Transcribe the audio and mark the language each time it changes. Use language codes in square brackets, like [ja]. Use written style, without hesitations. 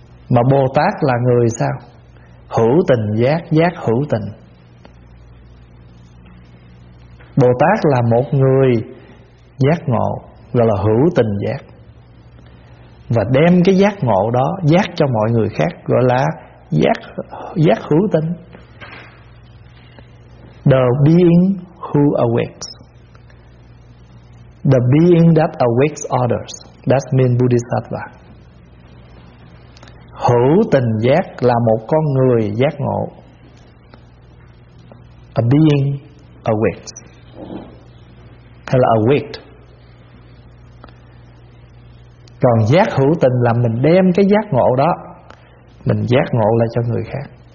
[vi] Mà Bồ Tát là người sao? Hữu tình giác, giác hữu tình. Bồ Tát là một người giác ngộ, gọi là hữu tình giác, và đem cái giác ngộ đó giác cho mọi người khác, gọi là giác, giác hữu tình. [en] The being who awakes, the being that awakes others, that means Bodhisattva. [vi] Hữu tình giác là một con người giác ngộ. [en] A being awakes, [vi] hay là [en] awake. [vi] Còn giác hữu tình là mình đem cái giác ngộ đó, mình giác ngộ lại cho người khác.